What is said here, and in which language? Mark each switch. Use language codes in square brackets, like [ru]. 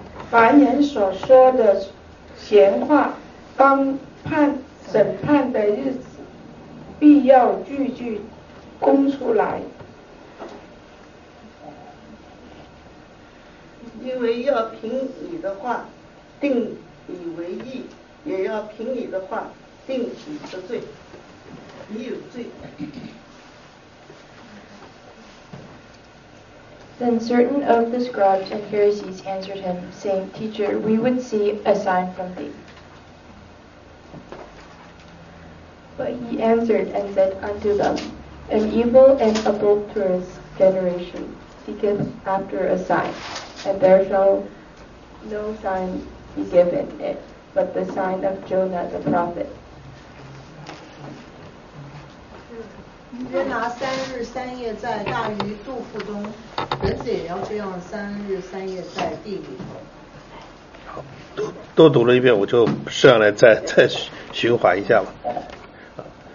[zh] 凡人所说的闲话，当判审判的日子，必要句句供出来。因为要凭你的话定你为义，也要凭你的话定你的罪，你有罪。 [en] Then certain of the scribes and Pharisees answered him, saying, Teacher, we would see a sign from thee. But he answered and said unto them, An evil and adulterous generation seeketh after a sign, and there shall no sign be given it, but the sign of Jonah the prophet. [zh] 约拿三日三夜在大鱼肚腹中，人子也要这样三日三夜在地里头。都读了一遍，我就剩下来再循环一下吧。